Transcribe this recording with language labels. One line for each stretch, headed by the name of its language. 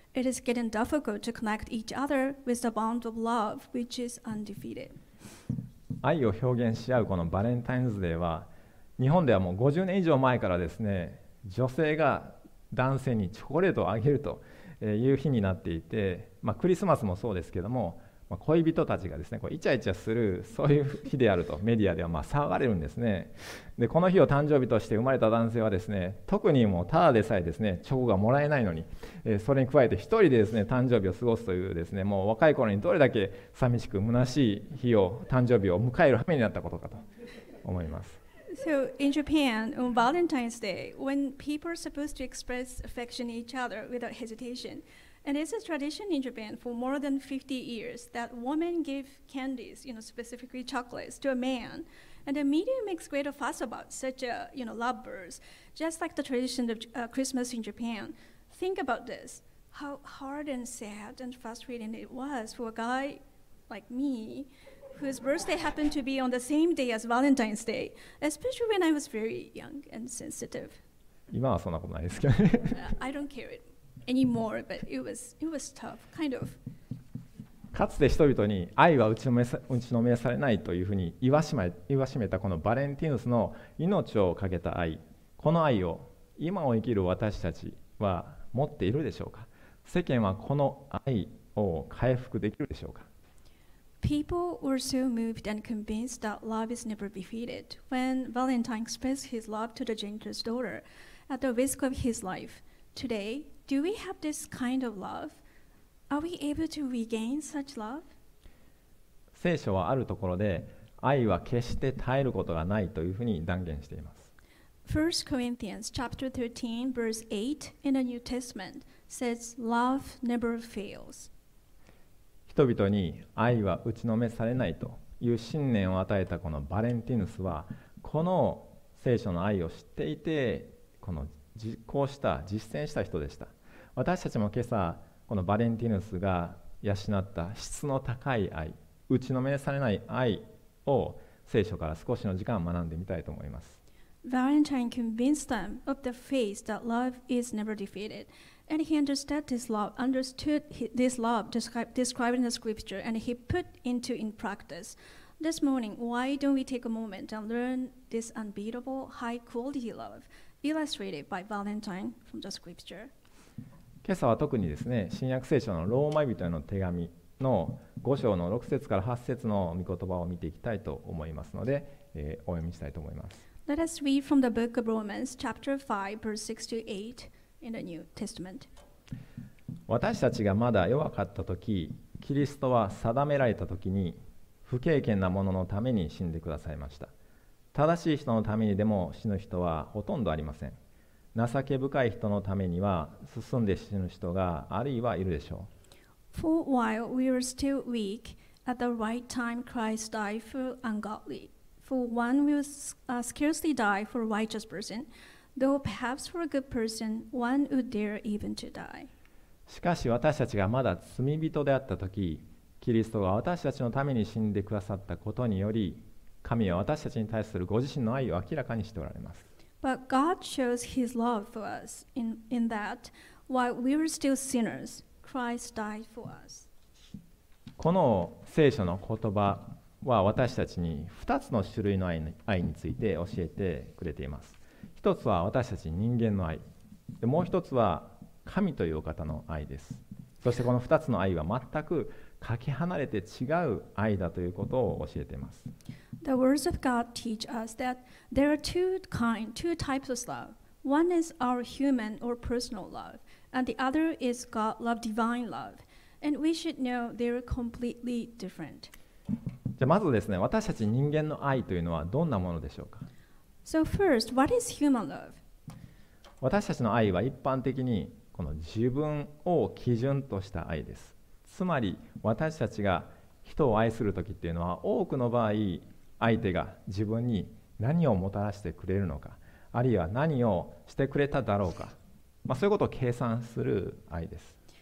English: It is getting difficult to connect each other with the bond of love, which is undefeated.
Japanese: 愛を表現し合うこのバレンタインズデーは、日本ではもう50年以上前からですね、女性が男性にチョコレートをあげるという日になっていて、まあ、クリスマスもそうですけども、まあ、恋人たちがですね、こうイチャイチャするそういう日であるとメディアではまあ騒がれるんですね。で、この日を誕生日として生まれた男性はですね、特にもうただでさえですね、チョコがもらえないのに、それに加えて一人でですね、誕生日を過ごすというですね、もう若い頃にどれだけ寂しく虚しい日を誕生日を迎える羽目になったことかと思います。
English: So in Japan, on Valentine's Day, when people are supposed to express affection to each other without hesitation, and it's a tradition in Japan for more than 50 years that women give candies, you know, specifically chocolates to a man, and the media makes great a fuss about such a, you know, love verse, just like the tradition of Christmas in Japan. Think about this, how hard and sad and frustrating it was for a guy like me,whose birthday happened to be on the same day as Valentine's Day, especially when I was very young and sensitive.
Japanese: 今はそんなことないですけどね。
English: I don't care it anymore, but it was tough, kind of.
Japanese: かつて人々に愛は打ちのめされないというふうに言わしめたこのバレンティヌスの命をかけた愛、この愛を今を生きる私たちは持っているでしょうか。世間はこの愛を回復できるでしょうか。
English: People were so moved and convinced that love is never defeated when Valentine expressed his love to the janitor's daughter at the risk of his life. Today, do we have this kind of love? Are we able to regain such love?
Japanese: 聖書はあるところで愛は決して絶えることがないというふうに断言しています。
English: 1 Corinthians chapter 13 verse 8 in the New Testament says love never fails.
Japanese: 人々に愛は打ちのめされないという信念を与えたこのバレンティヌスは、この聖書の愛を知っていて、この実行した、実践した人でした。私たちも今朝、このバレンティヌスが養った質の高い愛、打ちのめされない愛を聖書から少しの時間学んでみたいと思います。
English: Valentine convinced them of the faith that love is never defeated. And he understood this love described in the scripture, and he put into in practice. This morning, why don't we take a moment and learn this unbeatable, high quality love illustrated by Valentine from the scripture?
Japanese: 今朝は特にですね、新約聖書のローマ人への手紙の5章の6節から8節の御言葉を見ていきたいと思いますので、お読みしたいと思います。
English: Let us read from the book of Romans, chapter 5, verse 6 to 8. In the New Testament.
Japanese: 私たちがまだ弱かったとき、キリストは定められたときに、不敬虔な者のために死んでくださいました。正しい人のためにでも死ぬ人はほとんどありません。情け深い人のためには進んで死ぬ人があるいはいるでしょう。
English: For while we were still weak, at the right time Christ died for ungodly. For one will scarcely die for a righteous person. Though perhaps for a good person, one would dare even to die.
Japanese: しかし私たちがまだ罪人であったとき、キリストが私たちのために死んでくださったことにより、神は私たちに対するご自身の愛を明らかにしておられます。
English: But God shows His love for us in that while we were still sinners, Christ died for us.
Japanese: この聖書の言葉は私たちに2つの種類の愛について教えてくれています。一つは私たち人間の愛、でもう一つは神というお方の愛です。そしてこの2つの愛は全くかけ離れて違う愛だということを教えています。
English: The words of God teach us that there are two types of love. One is our human or personal love, and the other is God's love, divine love. And we should know they are completely different.
Japanese: じゃあまずですね、私たち人間の愛というのはどんなものでしょうか。
English: So first, what is human love?
Japanese: 私たちの愛は一般的にこの自分を基準とした愛です。つまり私たちが人を愛するときっていうのは多くの場合相手が自分に何をもたらしてくれるのか、あるいは何をしてくれただろうか、まあ、そういうことを計算する愛です。